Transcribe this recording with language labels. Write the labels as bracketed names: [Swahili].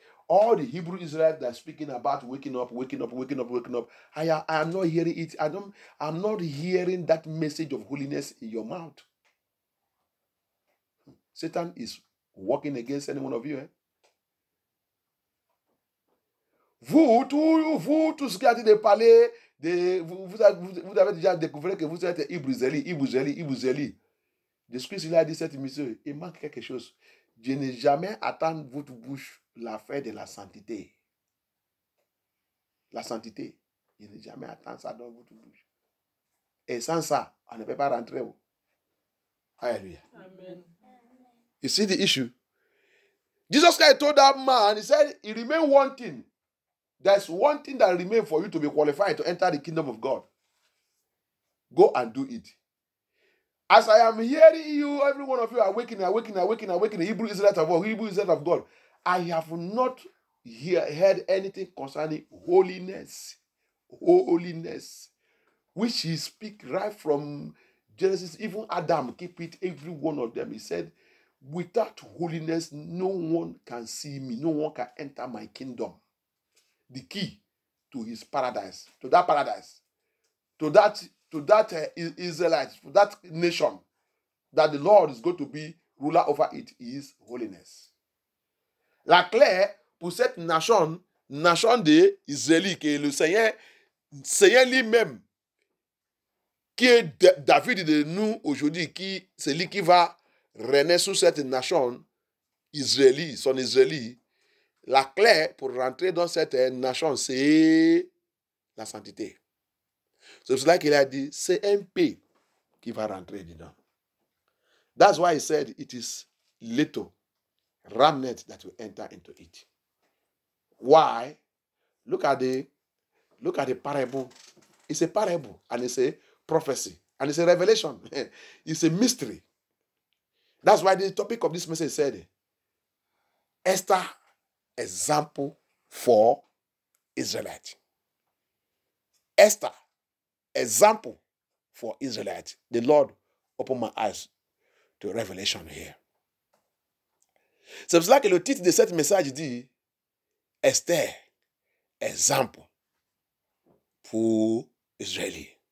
[English] All the Hebrew Israelites that are speaking about waking up, waking up, waking up, waking up, I am not hearing it. I'm not hearing that message of holiness in your mouth. Satan is working against any one of you, eh? [French] Vous tous qui êtes de parler, vous avez déjà découvert que vous êtes Ibrizeli. De ce qu'il a dit cette mission, il manque quelque chose. Je n'ai jamais attendu votre bouche l'affaire de la sainteté. La sainteté, je n'ai jamais attendu ça dans votre bouche. Et sans ça, on ne peut pas rentrer. Alléluia. Amen. [English] You see the issue? Jesus Christ told that man, he said, he remained wanting. There's one thing that remains for you to be qualified to enter the kingdom of God. Go and do it. As I am hearing you, every one of you awakening, Hebrew Israelite of God, Hebrew Israelite of God. I have not heard anything concerning holiness, which he speak right from Genesis. Even Adam keep it, every one of them. He said, without holiness, no one can see me, no one can enter my kingdom. The key to his paradise, to that paradise, to that Israelite, to that nation, that the Lord is going to be ruler over it, is holiness. [French] La clé pour cette nation d'Israélite, que le Seigneur lui-même, qui est David de nous aujourd'hui, qui c'est lui qui va régner sur cette nation Israélite, son Israélite. La clé pour rentrer dans cette nation, c'est la sainteté. C'est cela qu'il a dit, c'est un pays qui va rentrer dedans. [English] That's why he said, it is little remnant that will enter into it. Why? Look at the parable. It's a parable and it's a prophecy and it's a revelation. It's a mystery. That's why the topic of this message said, Esther, example for Israelite. Esther, example for Israelite. The Lord opened my eyes to revelation here. [French] C'est like le titre de cette message dit Esther, [English] example for Israeli.